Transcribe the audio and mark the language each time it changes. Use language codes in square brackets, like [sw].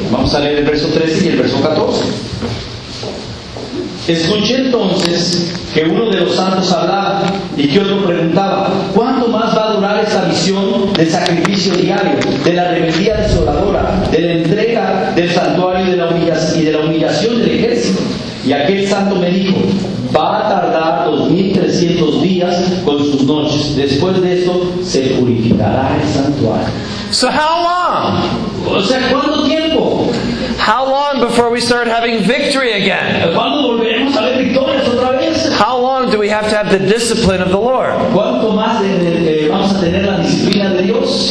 [es] Vamos a leer el verso 13 y el verso 14. Escuché entonces que uno de los santos hablaba y que otro preguntaba, ¿cuánto más va a durar esta visión del sacrificio diario, de la rebeldía desoladora, de la entrega del santuario y de la humillación del ejército? Y aquel santo me dijo, va a tardar 2300 días con sus noches. Después de eso se purificará el santuario. [en] So how long? [es] O sea, ¿cuánto tiempo? [en] How long before we start having victory again? [es] ¿Cuándo volveremos a ver victorias otra vez? [en] How long do we have to have the discipline of the Lord? [es] ¿Cuánto más vamos a tener la disciplina de Dios?